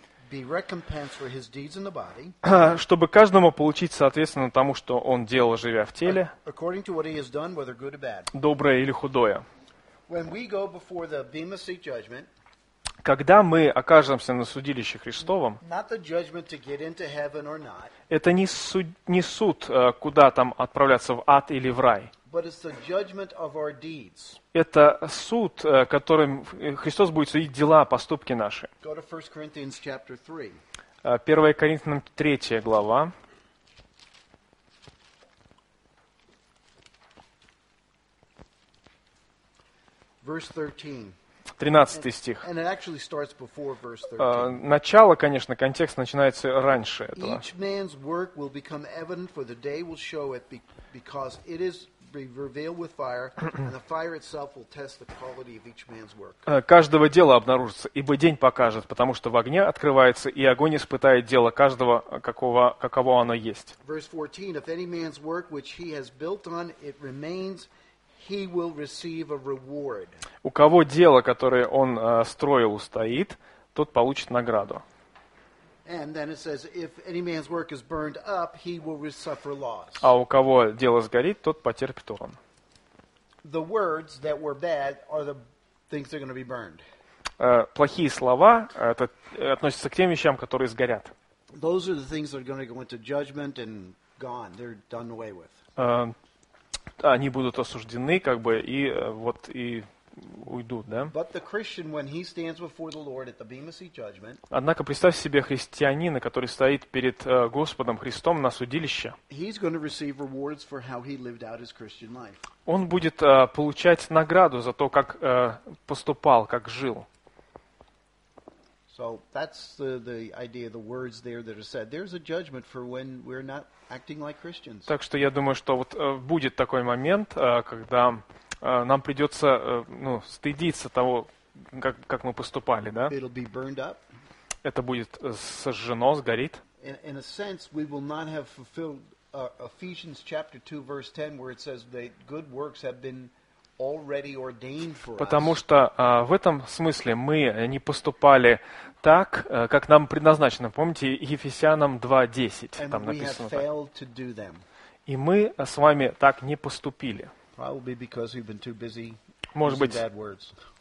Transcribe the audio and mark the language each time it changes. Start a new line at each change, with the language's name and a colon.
English: Be recompensed for his deeds in the body,
Russian: чтобы каждому получить соответственно тому, что он делал, живя в теле,
English: according to what he has done, whether good or bad.
Russian: Доброе или худое.
English: When we go before the Bema Seat judgment,
Russian: когда мы окажемся на судилище Христовом,
English: not the judgment to get into heaven or not,
Russian: это не суд, куда там отправляться, в ад или в рай.
English: But it's the judgment of our deeds.
Russian: Это суд, которым Христос будет судить дела, поступки наши.
English: Go to 1 Corinthians chapter 3.
Russian: 1 Коринфянам 3 глава.
English: Verse 13.
Russian: 13 стих.
English: And it actually starts before verse 13.
Russian: Начало, конечно, контекст начинается раньше этого.
English: Each man's work will become evident, for the day will show it, because it is
Russian: каждого дела обнаружится, ибо день покажет, потому что в огне открывается, и огонь испытает дело каждого, каково оно есть.
English: Verse 14, if any man's work which he has built on it remains, he will receive a reward.
Russian: У кого дело, которое он строил, устоит, тот получит награду.
English: And then it says, if any man's work is burned up, he will suffer loss.
Russian: А у кого дело сгорит, тот потерпит урон.
English: The words that were bad are the things that are going to be burned.
Russian: Плохие слова, это относится к тем вещам, которые сгорят.
English: Those are the things that are going to go into judgment and gone. They're done away with.
Russian: Они будут осуждены, как бы, и вот и уйдут, да?
English: But the Christian, when he stands before the Lord at the Bema Seat judgment,
Russian: однако представь себе христианина, который стоит перед Господом Христом на судилище.
English: He's going to receive rewards for how he lived out his Christian life.
Russian: Он будет получать награду за то, как поступал, как жил.
English: So that's the idea of the words there that are said. There's a judgment for when we're not acting like Christians.
Russian: Так что я думаю, что вот будет такой момент, когда нам придется, ну, стыдиться того, как мы поступали, да?
English: It'll be burned up.
Russian: Это будет сожжено, сгорит.
English: In a sense, we will not have fulfilled Ephesians chapter 2, verse 10, where it says that good works have been already ordained for us.
Russian: Потому что в этом смысле мы не поступали так, как нам предназначено. Помните, Ефесянам 2:10 там написано.
English: And we have failed to do them.
Russian: И мы с вами так не поступили.
English: Probably because we've been too busy.
Russian: Может быть,
English: bad words.